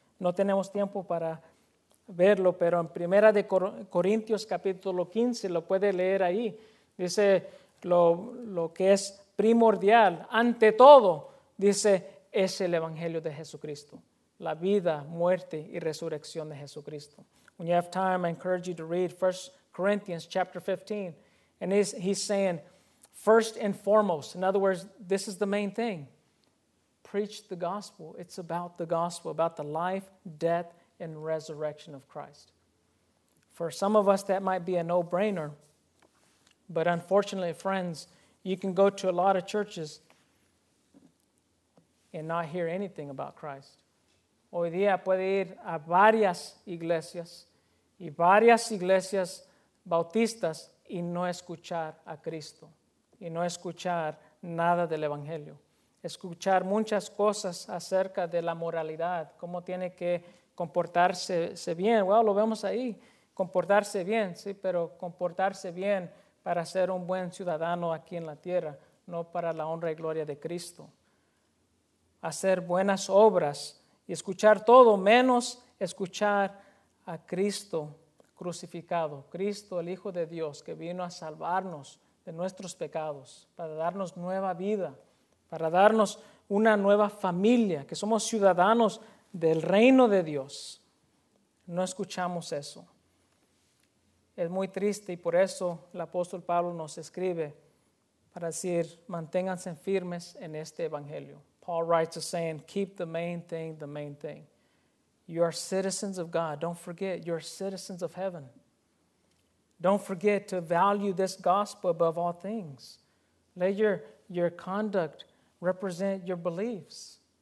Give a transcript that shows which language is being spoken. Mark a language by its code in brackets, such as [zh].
[es] No tenemos tiempo para verlo, pero en Primera de Corintios capítulo 15 lo puede leer ahí. Dice lo que es primordial, ante todo, dice, es el evangelio de Jesucristo, la vida, muerte y resurrección de Jesucristo. [en] When you have time, I encourage you to read 1 Corinthians chapter 15. And he's saying, first and foremost, in other words, this is the main thing. Preach the gospel. It's about the gospel, about the life, death, and resurrection of Christ. For some of us, that might be a no-brainer. But unfortunately, friends, you can go to a lot of churches and not hear anything about Christ. [es] Hoy día puede ir a varias iglesias y varias iglesias bautistas y no escuchar a Cristo y no escuchar nada del evangelio. Escuchar muchas cosas acerca de la moralidad, cómo tiene que comportarse bien. Bueno, lo vemos ahí, comportarse bien, sí, pero comportarse bien para ser un buen ciudadano aquí en la tierra, no para la honra y gloria de Cristo. Hacer buenas obras y escuchar todo, menos escuchar a Cristo crucificado. Cristo, el Hijo de Dios, que vino a salvarnos de nuestros pecados, para darnos nueva vida, para darnos una nueva familia, que somos ciudadanos del reino de Dios. No escuchamos eso. Es muy triste y por eso el apóstol Pablo nos escribe para decir, manténganse firmes en este evangelio. [en] Paul writes us saying, keep the main thing, the main thing. You are citizens of God. Don't forget, you are citizens of heaven. Don't forget to value this gospel above all things. Let your conduct represent your beliefs.